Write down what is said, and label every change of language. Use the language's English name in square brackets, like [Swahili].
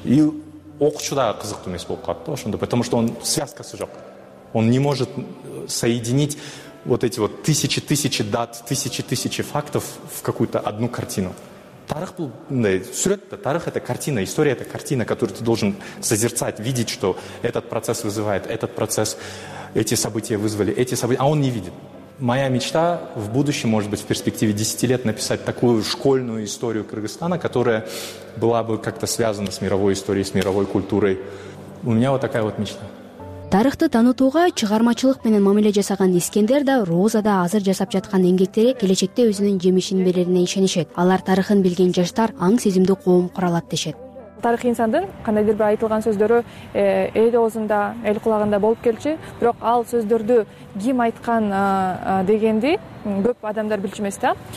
[Kyrgyz] И окуучу да кызыктуу эмес болуп калат да ошондо, [Russian] потому что он [Kyrgyz] связкасы жок. [Russian] Он не может соединить вот эти вот тысячи-тысячи дат, тысячи-тысячи фактов в какую-то одну картину. Тарых был, да, сюрет, да, тарых это картина, история это картина, которую ты должен созерцать, видеть, что этот процесс вызывает, этот процесс, эти события вызвали, эти события, а он не видит. Моя мечта в будущем, может быть, в перспективе 10 лет написать такую школьную историю Кыргызстана, которая была бы как-то связана с мировой историей, с мировой культурой. У меня вот такая вот мечта. [Kyrgyz] Тарыхты танытууга чыгармачылык менен мамиле жасаган Искендер да Роза да азыр жасап жаткан эмгектери келечекте өзүнүн жемишин берерине ишенишет. Алар тарыхын билген жаштар аң сезимдүү коом куралат дешет. Тарых инсандын кандайдыр бир айтылган сөздөрү эл оозунда, эл кулагында болуп келчи, бирок ал сөздөрдү ким айткан дегенди көп адамдар билчү эмес да.